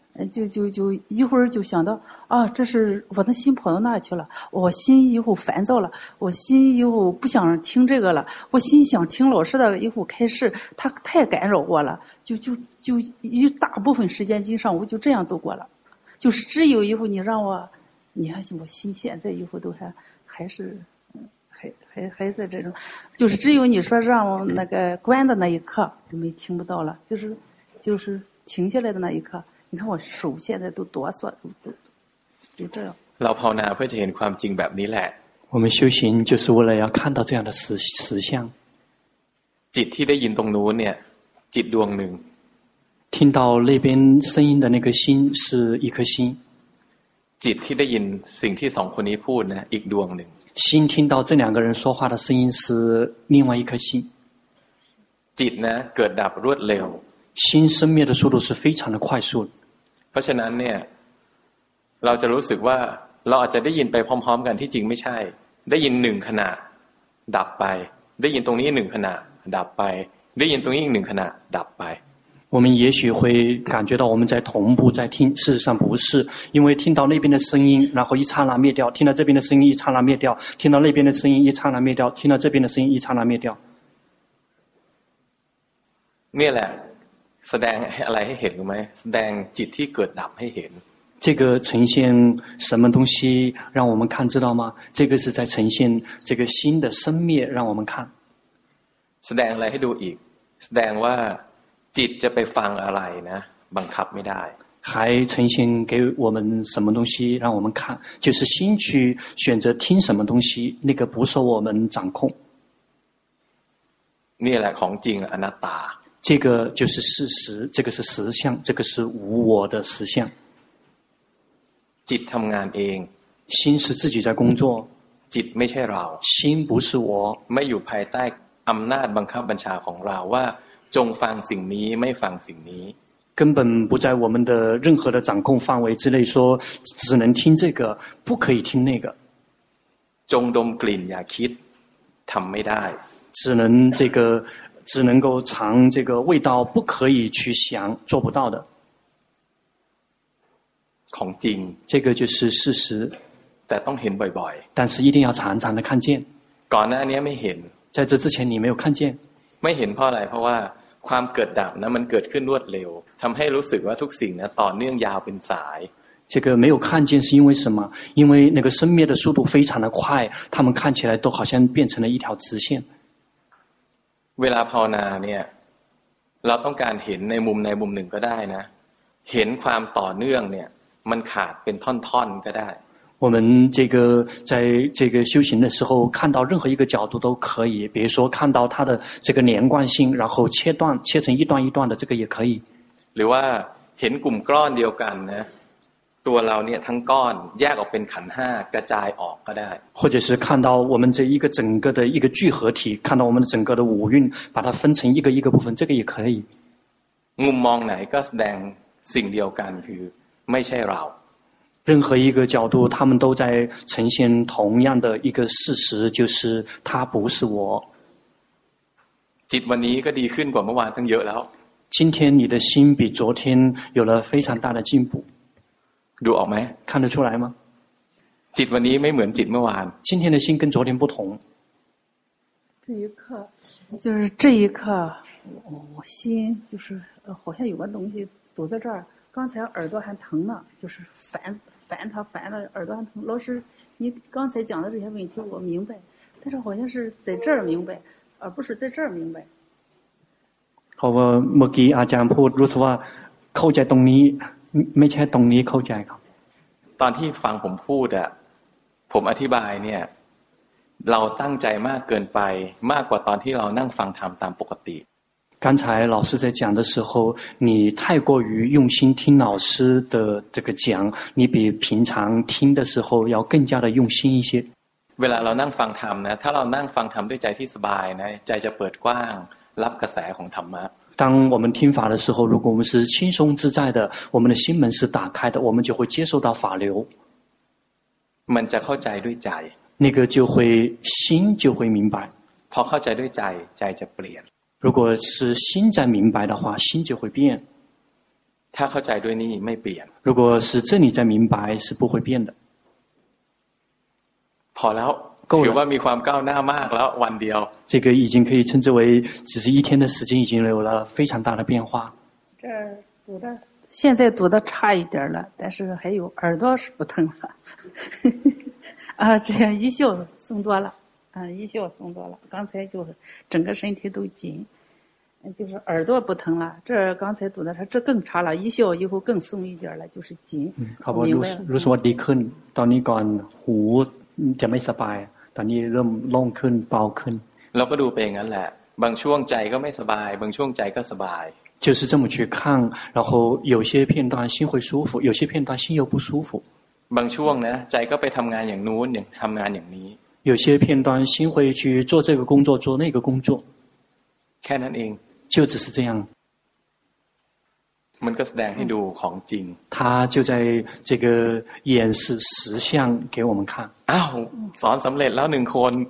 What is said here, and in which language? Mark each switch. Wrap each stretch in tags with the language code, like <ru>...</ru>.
<zh>就一会儿就想到啊，这是我的心跑到那去了，我心以后烦躁了，我心以后不想听这个了，我心想听老师的以后开示，他太干扰我了，就一大部分时间经上午就这样度过了，就是只有以后你让我，你看我心现在以后都还是还在这种，就是只有你说让我那个关的那一刻就没听不到了，就是停下来的那一刻。你看我手现在都哆嗦，都这样。老跑呢，会见</zh> <th>ความจริงแบบนี้แหละ。</th> <zh>我们修行就是为了要看到这样的实相。</zh> <th>จิตที่ได้ยินตรงนู้นเนี่ย，จิตดวงหนึ่ง。</th> <zh>听到那边声音的那颗心是一颗心。</zh> <th>จิตที่ได้ยินสิ่งที่สองคนนี้พูดนะอีกดวงหนึ่ง。</th> <zh>心听到这两个人说话的声音是另外一颗心。</zh> <th>จิตนะเกิดดับรวดเร็ว。</th> <zh>心生灭的速度是非常的快速。</zh> <th>เพราะฉะนั้นเนี่ยเราจะรู้สึกว่าเราอาจจะได้ยินไปพร้อมๆกันที่จริงไม่ใช่ได้ยินหนึ่งขณะดับไปได้ยินตรงนี้หนึ่งขณะดับไปได้ยินตรงนี้อีกหนึ่งขณะดับไป</th> <zh>我们也许会感觉到我们在同步在听，事实上不是，因为听到那边的声音，然后一刹那灭掉；听到这边的声音，一刹那灭掉；听到那边的声音，一刹那灭掉；听到这边的声音，一刹那灭掉。灭了。</zh> <th>แสดงอะไรให้เห็นรู้ไหมแสดงจิตที่เกิดดับให้เห็น</th> <zh>这个呈现什么东西让我们看知道吗这个是在呈现这个心的生灭让我们看</zh> <th>แสดงอะไรให้ดูอีกแสดงว่าจิตจะไปฟังอะไรนะบังคับไม่ได้</th> <zh>还呈现给我们什么东西让我们看就是心去选择听什么东西那个不受我们掌控</zh> <th>นี่แหละของจริงอนัตตา</th> <zh>这个就是事实，这个是实相，这个是无我的实相。</zh> <th>จิตทำงานเอง，</th> <zh>心是自己在工作。</zh> <th>จิตไม่ใช่เรา，</th> <zh>心不是我。</zh> <th>ไม่อยู่ภายใต้อำนาจบังคับบัญชาของเราว่าจงฟังสิ่งนี้ไม่ฟังสิ่งนี้。</th> <zh>根本不在我们的任何的掌控范围之内，说只能听这个，不可以听那个。</zh> <th>จงดมกลิ่นอย่าคิด，ทำไม่ได้。</th> <zh>只能够尝这个味道，不可以去想，做不到的。</zh> <th>ของจริง，</th> <zh>这个就是事实。</zh> <th>แต่ต้องเห็นบ่อย</th> <zh>ๆ，但是一定要常常的看见。</zh> <th>ก่อนหน้านี้ไม่เห็น，</th> <zh>在这之前你没有看见。</zh> <th>ไม่เห็นเพราะอะไรเพราะว่าความเกิดดับนั้นมันเกิดขึ้นรวดเร็ว，ทำให้รู้สึกว่าทุกสิ่งนั้นต่อเนื่องยาวเป็นสาย。</th> <zh>这个没有看见是因为什么？因为那个生灭的速度非常的快，他们看起来都好像变成了一条直线。</zh> <th>เวลาภาวนาเนี่ยเราต้องการเห็นในมุมใดมุมหนึ่งก็ได้นะเห็นความต่อเนื่องเนี่ยมันขาดเป็นท่อนๆก็ได้</th> <zh>我们这个在这个修行的时候看到任何一个角度都可以比如说看到它的这个连贯性然后切断切成一段一段的这个也可以</zh> <th>หรือว่าเห็นกลุ่มก้อนเดียวกันนะตัวเราเนี่ยทั้งก้อนแยกออกเป็นขันห้ากระจายออกก็ได้</th> <zh>或者是看到我们这一个整个的一个聚合体看到我们的整个的五蕴把它分成一个一个部分这个也可以</zh> <th>มุมมองไหนก็แสดงสิ่งเดียวกันคือไม่ใช่เรา</th> <zh>任何一个角度他们都在呈现同样的一个事实就是它不是我</zh> <th>จิตวันนี้ก็ดีขึ้นกว่าเมื่อวานตั้งเยอะแล้ว</th> <zh>今天你的心比昨天有了非常大的进步</zh> <th>ดูออกไหม</th> <zh>看得出来吗</zh> <th>จิตวันนี้ไม่เหมือนจิตเมื่อวาน</th> <zh>今天的心跟昨天不同这一刻就是这一刻我心就是好像有个东西堵在这儿刚才耳朵还疼呢就是烦他烦了耳朵还疼老师你刚才讲的这些问题我明白但是好像是在这儿明白而不是在这儿明白好我</zh> <th>เมื่อกี้อาจารย์พูดรู้สึกว่าเข้าใจตรงนี้ไม่ใช่ตรงนี้เข้าใจครับ ตอนที่ฟังผมพูดอ่ะผมอธิบายเนี่ยเราตั้งใจมากเกินไปมากกว่าตอนที่เรานั่งฟังธรรมตามปกติ</th> <zh>刚才老师在讲的时候你太过于用心听老师的这个讲你比平常听的时候要更加的用心一些</zh> <th>เวลาเรานั่งฟังธรรมนะถ้าเรานั่งฟังธรรมด้วยใจที่สบายนะใจจะเปิดกว้างรับกระแสของธรรมะ</th> <zh>当我们听法的时候，如果我们是轻松自在的，我们的心门是打开的，我们就会接受到法流。</zh> <th>มันจะเข้าใจด้วยใจ，</th> <zh>那个就会心就会明白。</zh> <th>พอเข้าใจด้วยใจ，ใจจะเปลี่ยน。</th> <zh>如果是心在明白的话，心就会变。他</zh> <th>เข้าใจด้วยนี่ไม่เปลี่ยน</th> <zh>如果是这里在明白是不会变的</zh> <th>พอแล้วถือว่ามีความก้าวหน้ามากแล้ววันเดียว</th> <zh>这个已经可以称之为只是一天的时间已经有了非常大的变化这读的现在读的差一点了但是还有耳朵是不疼了啊这样一袖松多了啊一袖松多了刚才就是整个身体都紧就是耳朵不疼了这刚才读的说这更差了一袖以后更松一点了就是紧嗯好吧如果说你看当你讲胡</zh> <th>จะไม่สบายตอนนี้เริ่มโล่งขึ้นเบาขึ้น เราก็ดูไปอย่างนั้นแหละบางช่วงใจก็ไม่สบายบางช่วงใจก็สบาย</th> <zh>就是这么去看然后有些片段心会舒服有些片段心又不舒服</zh> <th>บางช่วงนะใจก็ไปทำงานอย่างนู้นอย่างทำงานอย่างนี้</th> <zh>有些片段心会去做这个工作做那个工作</zh> <th>แค่นั้นเอง</th> <zh>就只是这样</zh> <th>มันก็แสดงให้ดูของจริง</th> <zh>他就在这个演示实相给我们看</zh> <th>อ้าวสอนสำเร็จแล้วหนึ่งคน</th>